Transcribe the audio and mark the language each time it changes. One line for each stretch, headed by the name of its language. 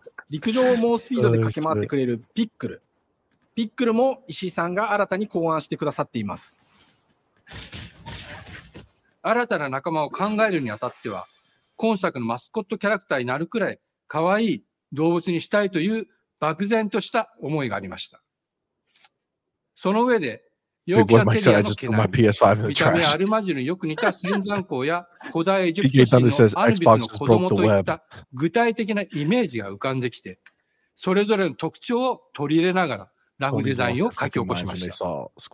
Japanese: 陸上を猛スピードで駆け回ってくれるピックル。ピックルも石井さんが新たに考案してくださっています。新たな仲間を考えるにあたっては今作のマスコットキャラクターになるくらい可愛い動物にしたいという漠然とした思いがありました。その上で、
English: My PS5 in the trash. He thunder says Xbox just broke the web.
Japanese: 具体的なイメージが浮かんできて、それぞれの特徴を取り入れながらラフデザインを書き起こしました。